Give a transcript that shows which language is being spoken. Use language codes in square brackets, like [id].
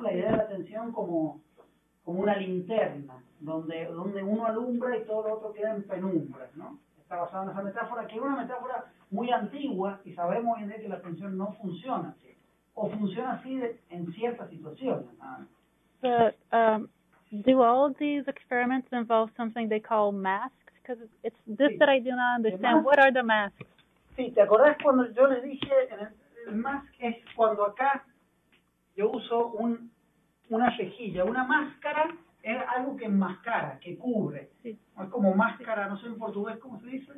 [es] La idea de la atención como una linterna, donde uno alumbra y todo lo otro queda en penumbra, ¿no? Está basado en esa metáfora, que es una metáfora muy antigua, y sabemos hoy en día que la atención no funciona así, o funciona así en ciertas situaciones, ¿no? [en] But do all these experiments involve something they call masks? Because it's this, [es] sí, [en] that I do not understand. What are the masks? [es] Sí, ¿te acordás cuando yo les dije en el mask es cuando acá yo uso un una rejilla, una máscara es algo que enmascara, que cubre. Sí. Es como máscara, no sé en portugués cómo se dice.